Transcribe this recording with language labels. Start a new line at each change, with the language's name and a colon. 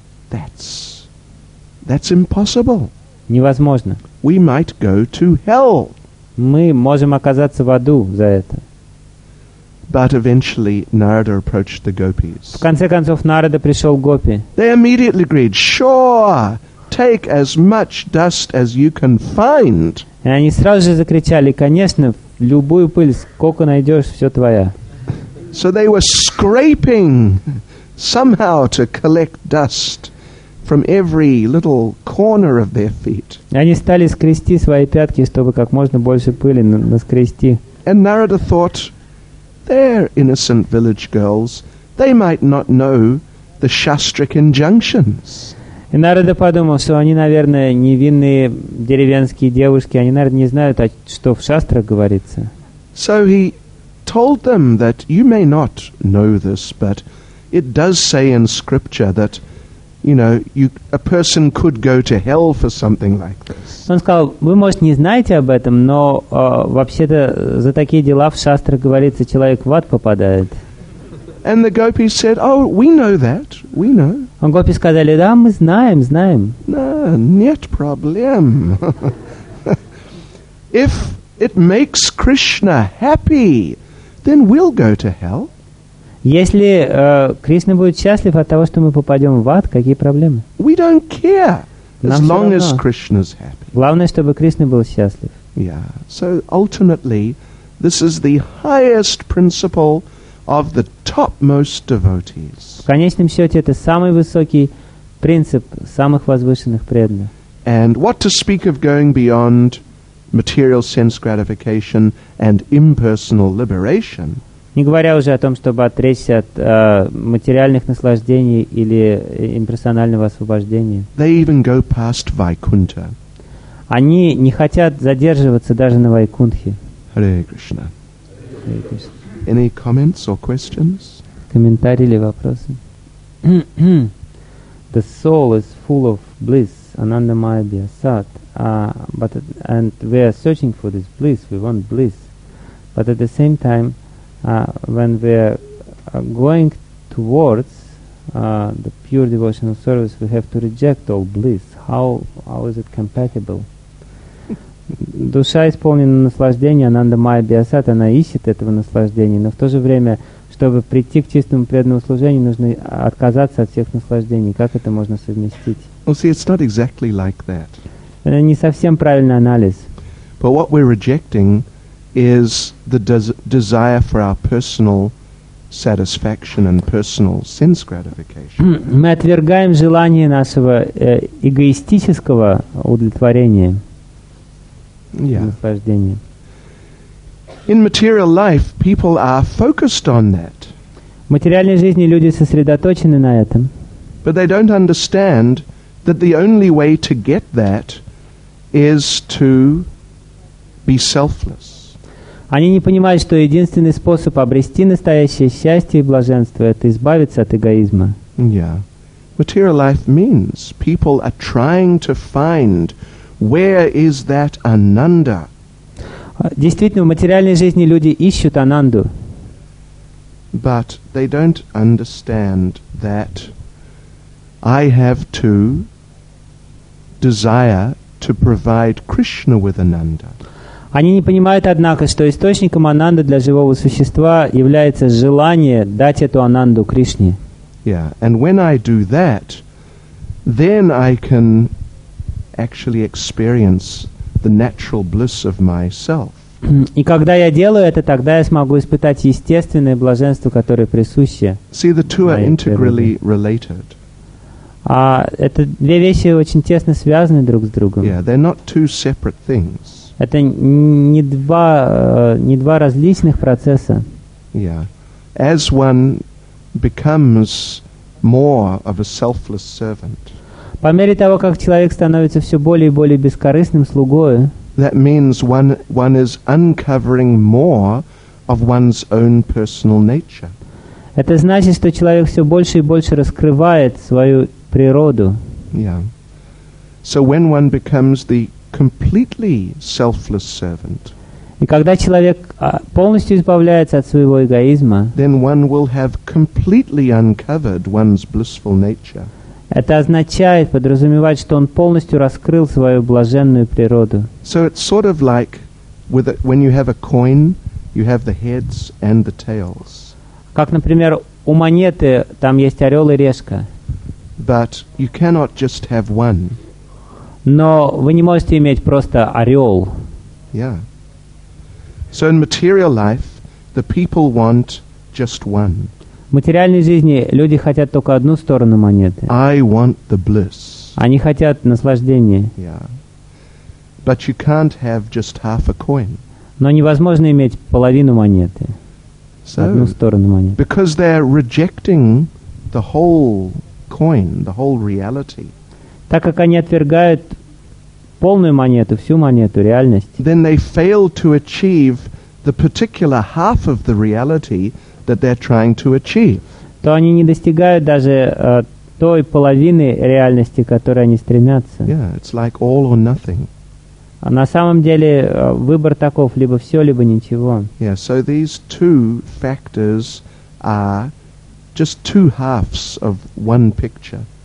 English: That's impossible.
Russian: Невозможно.
English: We might go to hell.
Russian: Мы можем оказаться в аду за это.
English: But eventually Narada approached the gopis.
Russian: В конце концов Нарада пришел к гопи.
English: They immediately agreed. Sure, take as much dust as you can find.
Russian: И они сразу же закричали: конечно, любую пыль, сколько найдешь, все твоя.
English: So they were scraping somehow to collect dust from every little corner of their feet.
Russian: Они стали скрести свои пятки, чтобы как можно больше пыли наскрести.
English: And Narada thought, they're innocent village girls. They might not know the Shastric injunctions.
Russian: И Нарада подумал, что они, наверное, невинные деревенские девушки. Они, наверное, не знают, что в шастрах говорится.
English: So he told them that you may not know this, but it does say in scripture that, you know, a person could go to hell for something like this.
Russian: Он сказал: вы, может, не знаете об этом, но вообще-то за такие дела в шастрах говорится, человек в ад попадает.
English: And the gopis said, oh, we know that, we know.
Russian: А гопи сказали: да, мы знаем, знаем.
English: No,
Russian: нет проблем.
English: If it makes Krishna happy, then we'll go to hell.
Russian: Если Кришна будет счастлив от того, что мы попадем в ад, какие проблемы?
English: We don't care, as long as Krishna's happy.
Russian: Главное, чтобы Кришна был счастлив.
English: Yeah. So ultimately, this is the highest principle of the topmost devotees.
Russian: В конечном счете, это самый высокий принцип самых возвышенных преданных.
English: And what to speak of going beyond material sense gratification and impersonal liberation?
Russian: Не говоря уже о том, чтобы отречься от материальных наслаждений или имперсонального освобождения.
English: They even go past Vaikuntha.
Russian: Они не хотят задерживаться даже на Вайкунтхе.
Sanskrit: Hare Krishna. Hare Krishna.
English: Any comments or questions?
Russian: Комментарии или вопросы?
English: The soul is full of bliss, anandamaya bhyasat, and we are searching for this bliss, we want bliss. But at the same time, when we are going towards the pure devotional service, we have to reject all bliss. How is it compatible?
Russian: Душа исполнена наслаждения, анандамая бхиасат, она ищет этого наслаждения, но в то же время, чтобы прийти к чистому преданному служению, нужно отказаться от всех наслаждений. Как это можно совместить?
English: Well, see, it's not exactly like that.
Russian: Это не совсем правильный анализ.
English: But what we're rejecting is the desire for our personal satisfaction and personal sense gratification.
Russian: Мы отвергаем желание нашего эгоистического удовлетворения.
English: Yeah. In material life, people are focused on that.
Russian: В материальной жизни люди сосредоточены на этом.
English: But they don't understand that the only way to get that is to be selfless.
Russian: Они не понимают, что единственный способ обрести настоящее счастье и блаженство – это избавиться от эгоизма.
English: Yeah. Material life means people are trying to find where is that Ananda?
Russian: Действительно, в материальной жизни люди ищут Ананду.
English: But they don't understand that I have to desire to provide Krishna with Ananda.
Russian: Они не понимают, однако, что источником Ананды для живого существа является желание дать эту Ананду Кришне.
English: Yeah, and when I do that, then I can actually experience the natural bliss of myself.
Russian: И когда я делаю это, тогда я смогу испытать естественное блаженство, которое присуще.
English: See, the two are integrally related.
Russian: Это две вещи очень тесно связаны друг с другом.
English: Yeah, they're not two separate things.
Russian: Это не два различных процесса.
English: Yeah. As one becomes more of a selfless servant.
Russian: По мере того, как человек становится все более и более бескорыстным слугой,
English: that means one is uncovering more of one's own personal nature.
Russian: Это значит, что человек все больше и больше раскрывает свою природу.
English: Yeah. So when one becomes the completely selfless servant,
Russian: И когда человек полностью избавляется от своего эгоизма,
English: then one will have completely uncovered one's blissful nature.
Russian: Это означает, подразумевает, что он полностью раскрыл свою блаженную природу.
English: So it's sort of like with a, when you have a coin, you have the heads and the tails.
Russian: Как, например, у монеты там есть орел и решка.
English: But you cannot just have one.
Russian: Но вы не можете иметь просто орел.
English: Yeah. So in material life, the people want just one.
Russian: В материальной жизни люди хотят только одну сторону монеты.
English: I want the bliss.
Russian: Они хотят наслаждения.
English: Yeah. But you can't have just half a coin.
Russian: Но невозможно иметь половину монеты. So, одну сторону монеты.
English: Because they're rejecting the whole coin, the whole reality.
Russian: Так как они отвергают полную монету, всю монету, реальность.
English: Then they fail to achieve the particular half of the reality that they're trying to achieve.
Russian: То они не достигают даже той половины реальности, к которой они стремятся.
English: Yeah, it's like all or nothing.
Russian: А на самом деле выбор таков: либо все, либо ничего.
English: Yeah, so these two factors are just two halves of one picture.